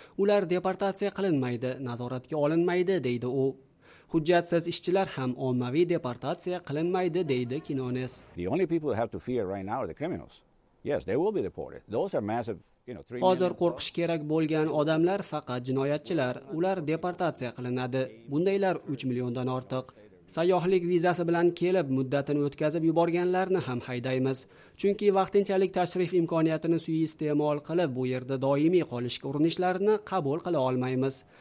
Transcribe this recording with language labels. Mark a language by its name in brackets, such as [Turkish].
[Uzbek] Ular deportatsiya qilinmaydi, nazoratga olinmaydi, deydi u. Hujjatsiz ishchilar ham ommaviy deportatsiya qilinmaydi, deydi Quinones. [English] The only people who have to fear right now are the criminals. Yes, they will be deported. Those are massive, you know, 3 million. [Uzbek] Hozir qo'rqish kerak bo'lgan odamlar faqat jinoyatchilar. Ular deportatsiya qilinadi. Bundaylar 3 milliondan ortiq. Sayyohlik vizasi bilan kelib, muddatini o'tkazib yuborganlarni ham haydaymiz. Chunki vaqtinchalik tashrif imkoniyatini suiiste'mol qilib, bu yerda doimiy qolishga urinishlarini qabul qila olmaymiz.